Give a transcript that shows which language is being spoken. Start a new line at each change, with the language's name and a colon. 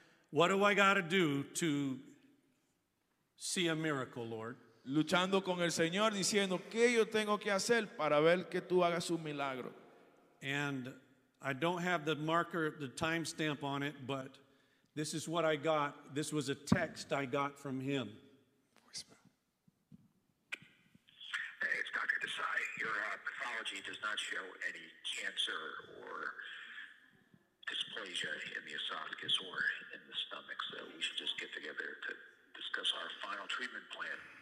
English: What do I got to do to see a miracle, Lord?
Spanish: Luchando con el Señor, diciendo, ¿qué yo tengo que hacer para ver que tú hagas un milagro?
English: And I don't have the marker, the timestamp on it, but this is what I got. This was a text I got from him. Hey, it's Dr. Desai. Your pathology does not show any cancer or dysplasia in the esophagus or in the stomach, so we should just get together to discuss our final treatment plan.